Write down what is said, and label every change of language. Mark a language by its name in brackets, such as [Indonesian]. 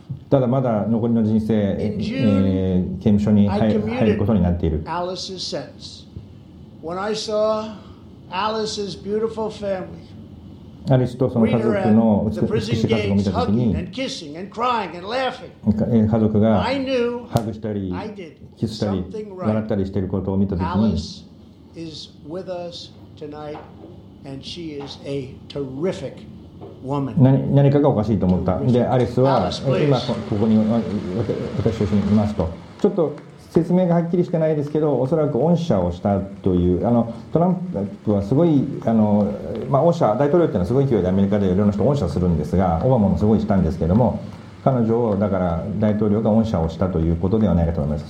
[Japanese] ただまだ残りの人生、刑務所に入ることになっている。 [English] Alice's sentence. When I saw Alice's beautiful family, [Japanese] アリスとその家族の美しい家族を見たときに、 [English] kissing and crying and laughing. [Japanese] 家族がハグしたり、キスしたり、笑ったりしていることを見たときに、 [English] Alice is with us tonight. And she is a terrific woman. [Japanese] 何かがおかしいと思った。で、アリスは今ここに私と一緒にいますと。ちょっと説明がはっきりしてないですけど、おそらく恩赦をしたという、あのトランプはすごい、あのまあ、恩赦、大統領っていうのはすごい勢いでアメリカでいろんな人を恩赦するんですが、オバマもすごいしたんですけども、彼女を、だから大統領が恩赦をしたということではないかと思います。